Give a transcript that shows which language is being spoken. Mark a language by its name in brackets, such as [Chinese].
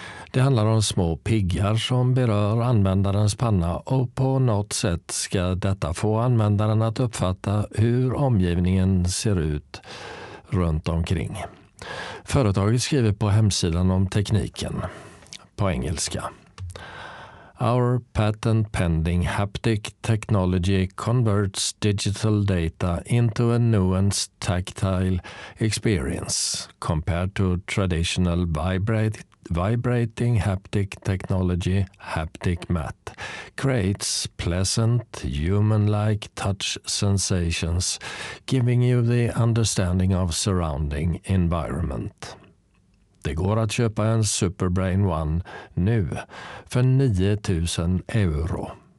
[Swedish] Det handlar om små piggar som berör användarens panna och på något sätt ska detta få användaren att uppfatta hur omgivningen ser ut runt omkring. Företaget skriver på hemsidan om tekniken på engelska. [English] Our patent pending haptic technology converts digital data into a nuanced tactile experience compared to traditional vibrating haptic technology. Haptic mat creates pleasant human-like touch sensations, giving you the understanding of surrounding environment. [Swedish] Det går att köpa en Superbrain One nu för 9000 euro.